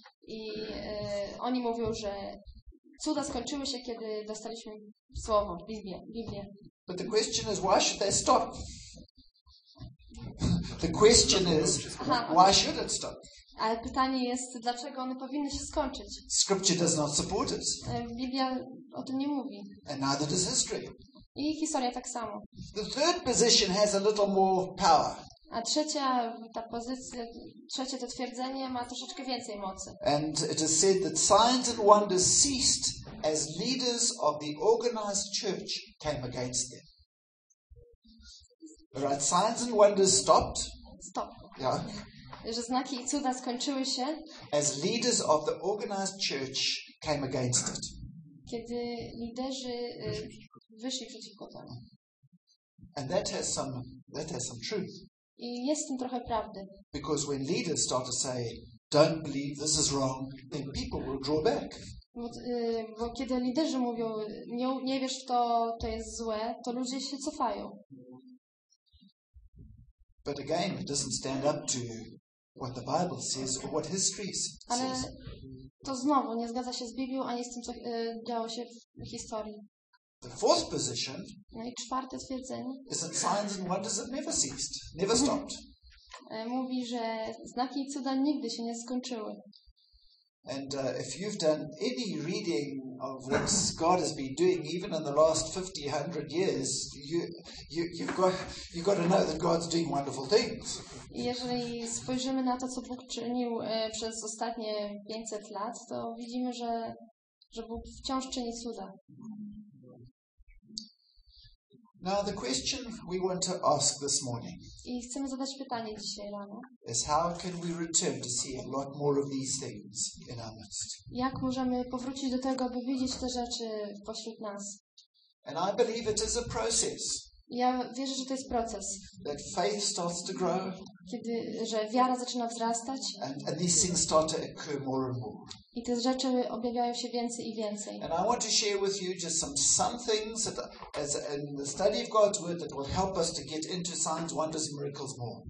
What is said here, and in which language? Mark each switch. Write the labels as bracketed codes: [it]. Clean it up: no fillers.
[pl] I oni mówią, że cuda skończyły się, kiedy dostaliśmy słowo Biblię. [en] But the question is, why should they stop? The question is, why should it stop? [pl] Ale pytanie jest, dlaczego one powinny się skończyć? [en] Scripture does not support it. [pl] Biblia o tym nie mówi. [en] And neither does history. [pl] I historia tak samo. [en] The third position has a little more power. [pl] A trzecia ta pozycja, trzecie to twierdzenie ma troszeczkę więcej mocy. [en] And it is said that signs and wonders ceased as leaders of the organized church came against them. Right, signs and wonders stopped. Stop. Yeah. [pl] Że znaki i cuda skończyły się. [en] As leaders of the organized church came against it. [pl] Kiedy liderzy wyszli przeciwko temu. [en] And that has some truth. [pl] I jest w tym trochę prawdy. [en] Because when leaders start to say, don't believe this is wrong, then people will draw back. [pl] Bo kiedy liderzy mówią, nie wiesz w to, to jest złe, to ludzie się cofają. [en] But again, it doesn't stand up to what the Bible says or what history says. [pl] Ale to znowu nie zgadza się z Biblią ani z tym, co działo się w historii. [en] The fourth position. [pl] No i czwarte twierdzenie. [en] Is that signs and wonders have never ceased, never stopped. [pl] Mówi, że znaki i cuda nigdy się nie skończyły. [en] And if you've done any reading of what God has been doing, even in the last 50-100 years, you've got to know that God's doing wonderful things. [pl] Jeżeli spojrzymy na to, co Bóg czynił przez ostatnie 500 lat, to widzimy, że Bóg wciąż czyni cuda. [en] Now the question we want to ask this morning. [pl] I chcemy zadać pytanie dzisiaj rano. [en] Is how can we return to see a lot more of these things in our midst? [pl] Jak możemy powrócić do tego, by widzieć te rzeczy pośród nas? [en] And I believe it is a process. [pl] Ja wierzę, że to jest proces. [en] That faith starts to grow. [pl] Kiedy, że wiara zaczyna wzrastać. [en] And these things start to occur more and more. [pl] I te rzeczy objawiają się więcej i więcej. [en] And I want to share with you just some things that as in the study of God's word that will help us to get into signs, wonders and miracles more.